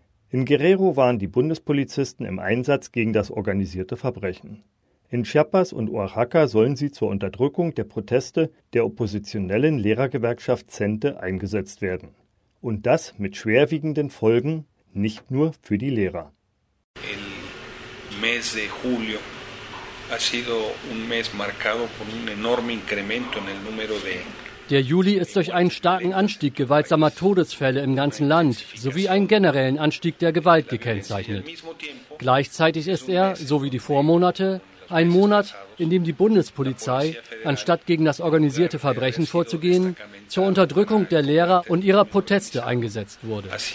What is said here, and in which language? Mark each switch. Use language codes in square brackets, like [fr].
[de] In Guerrero waren die Bundespolizisten im Einsatz gegen das organisierte Verbrechen. In Chiapas und Oaxaca sollen sie zur Unterdrückung der Proteste der oppositionellen Lehrergewerkschaft CENTE eingesetzt werden. Und das mit schwerwiegenden Folgen, nicht nur für die Lehrer. [es] Mes de julio ha sido un mes marcado por un enorme incremento en el número de. [de] Der Juli ist durch einen starken Anstieg gewaltsamer Todesfälle im ganzen Land sowie einen generellen Anstieg der Gewalt gekennzeichnet. Gleichzeitig ist er, so wie die Vormonate, ein Monat, in dem die Bundespolizei, anstatt gegen das organisierte Verbrechen vorzugehen, zur Unterdrückung der Lehrer und ihrer Proteste eingesetzt wurde.